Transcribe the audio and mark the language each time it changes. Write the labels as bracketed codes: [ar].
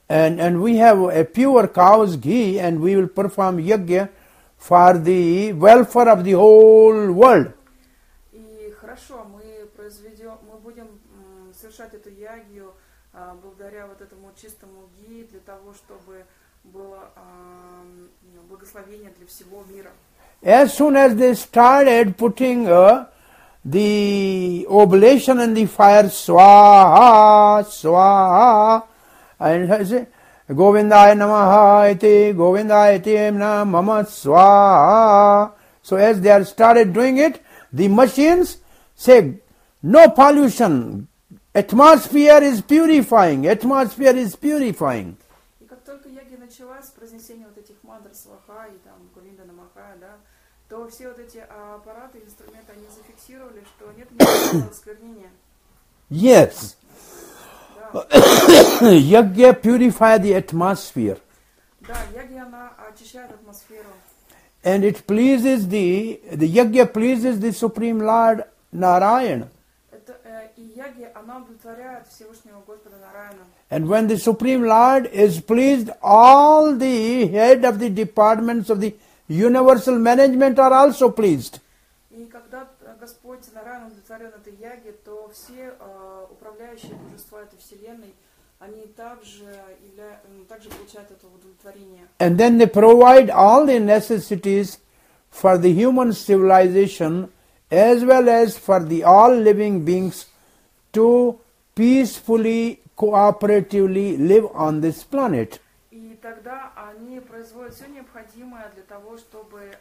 [en] And we have a pure cow's ghee, and we will perform yagya for the welfare of the whole world. [ru] И хорошо, мы будем совершать эту ягью благодаря вот этому чистому ги для того, чтобы было благословение для всего мира. [en] As soon as they started putting the oblation in the fire, swaha, swaha, and I say, [sa] Govindaya namaha iti, Govindaya iti emna mama swaha. [en] So as they are started doing it, the machines say, no pollution, atmosphere is purifying, atmosphere is purifying. [ru] И как только яги началась, произнесение вот этих мантр сваха и там Говинда намаха, да, то все вот эти аппараты, инструменты, они зафиксировали, что нет никакого осквернения. [en] Yes. Yagya purify the atmosphere. [ru] Да, ягья, она очищает атмосферу. [en] And it pleases the yagya pleases the Supreme Lord Narayana. [ru] Это и ягья, она удовлетворяет Всевышнего Господа Нараяна. [en] And when the Supreme Lord is pleased, all the head of the departments of the universal management are also pleased. [ru] И когда Господь Нараяна удовлетворен этой ягьей, то все управляющие божества этой вселенной, они также получают это удовлетворение. [en] And then they provide all the necessities for the human civilization as well as for the all living beings to peacefully, cooperatively live on this planet. [ru] И тогда они производят все необходимое для того, чтобы...